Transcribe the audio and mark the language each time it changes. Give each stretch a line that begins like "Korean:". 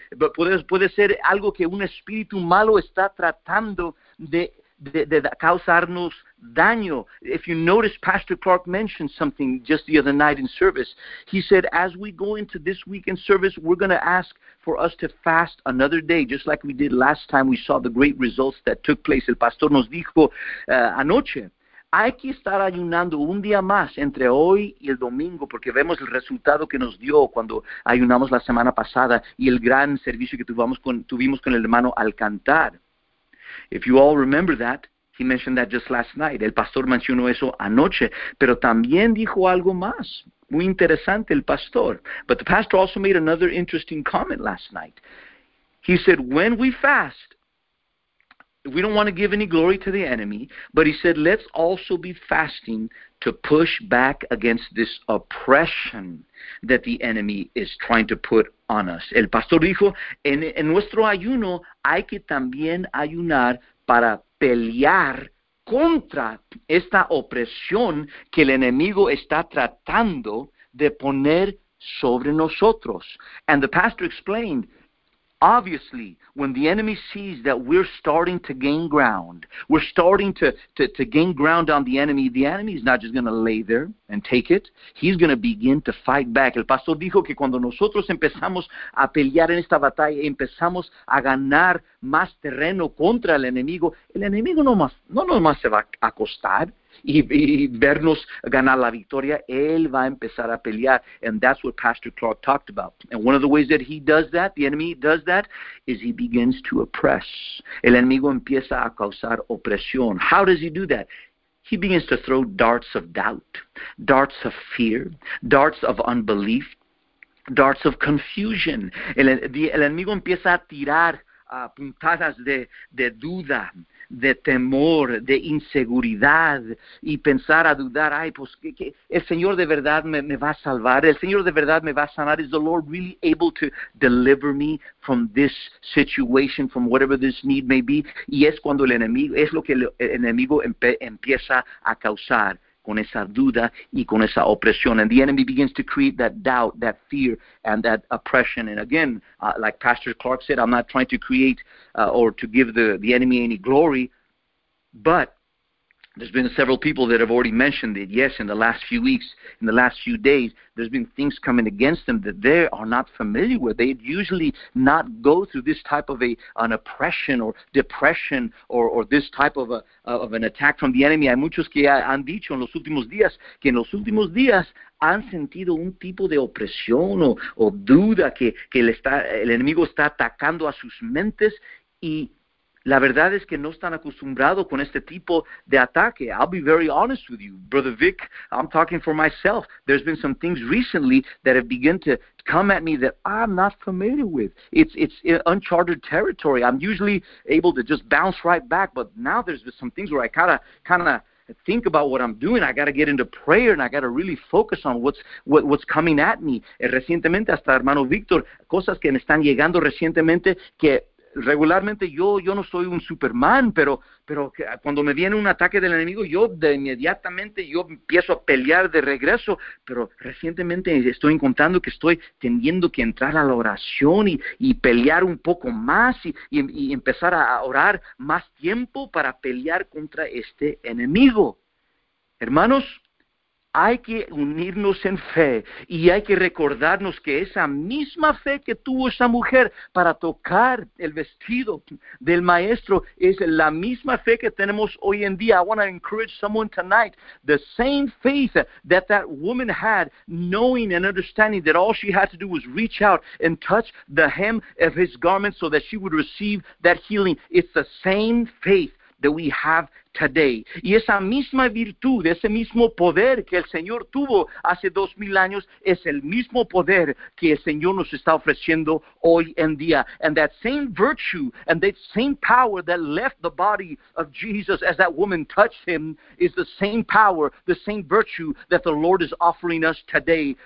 Spanish: But puede ser algo que un espíritu malo está tratando de causarnos daño.
English: If you notice, Pastor Clark mentioned something just the other night in service. He said, as we go into this week in service, we're going to ask for us to fast another day, just like we did last time we saw the great results that took place.
Spanish: El pastor nos dijo anoche, hay que estar ayunando un día más entre hoy y el domingo, porque vemos el resultado que nos dio cuando ayunamos la semana pasada y el gran servicio que tuvimos con el hermano Alcantar.
English: If you all remember that, he mentioned that just last night.
Spanish: El pastor mencionó eso anoche, pero también dijo algo más. Muy interesante el pastor.
English: But the pastor also made another interesting comment last night. He said, when we fast, we don't want to give any glory to the enemy, but he said, let's also be fasting to push back against this oppression that the enemy is trying to put on us.
Spanish: El pastor dijo, en nuestro ayuno hay que también ayunar para pelear contra esta opresión que el enemigo está tratando de poner sobre nosotros.
English: And the pastor explained, obviously, when the enemy sees that we're starting to gain ground, we're starting to gain ground on the enemy is not just going to lay there and take it. He's going to begin to fight back.
Spanish: El pastor dijo que cuando nosotros empezamos a pelear en esta batalla, empezamos a ganar más terreno contra el enemigo no más se va a acostar y vernos ganar la victoria. Él va a empezar a pelear.
English: And that's what Pastor Clark talked about. And one of the ways that he does that, the enemy does that, is he begins to oppress.
Spanish: El enemigo empieza a causar opresión.
English: How does he do that? He begins to throw darts of doubt, darts of fear, darts of unbelief, darts of confusion.
Spanish: El enemigo empieza a tirar puntadas de duda, de temor, de inseguridad, y pensar a dudar, ay, pues, que el Señor de verdad me va a salvar, el Señor de verdad me va a sanar.
English: Is the Lord really able to deliver me from this situation, from whatever this need may be?
Spanish: Y es cuando el enemigo empieza a causar con esa duda y con esa opresión.
English: And the enemy begins to create that doubt, that fear, and that oppression. And again, like Pastor Clark said, I'm not trying to create or to give the enemy any glory, but There's been several people that have already mentioned it. Yes, in the last few weeks, in the last few days, there's been things coming against them that they are not familiar with. They usually not go through this type of an oppression or depression or this type of an attack from the enemy.
Spanish: Hay muchos que han dicho en los últimos días que en los últimos días han sentido un tipo de opresión o duda que el enemigo está atacando a sus mentes y la verdad es que no están acostumbrados con este tipo de ataque.
English: I'll be very honest with you, Brother Vic. I'm talking for myself. There's been some things recently that have begun to come at me that I'm not familiar with. It's uncharted territory. I'm usually able to just bounce right back, but now there's been some things where I kind of think about what I'm doing. I got to get into prayer and I got to really focus on what's coming at me.
Spanish: Recientemente, hasta hermano Víctor, cosas que me están llegando recientemente que regularmente yo no soy un Superman, pero cuando me viene un ataque del enemigo, yo inmediatamente empiezo a pelear de regreso, pero recientemente estoy encontrando que estoy teniendo que entrar a la oración y pelear un poco más y empezar a orar más tiempo para pelear contra este enemigo. Hermanos, hay que unirnos en fe y hay que recordarnos que esa misma fe que tuvo esa mujer para tocar el vestido del maestro es la misma fe que tenemos hoy en día.
English: I want to encourage someone tonight. The same faith that woman had, knowing and understanding that all she had to do was reach out and touch the hem of his garment so that she would receive that healing. It's the same faith that we have today.
Spanish: Y esa misma virtud, ese mismo poder que el Señor tuvo hace 2,000 años, es el mismo poder que el Señor nos está ofreciendo hoy en día.
English: And that same virtue and that same power that left the body of Jesus as that woman touched him is the same power, the same virtue that the Lord is offering us today.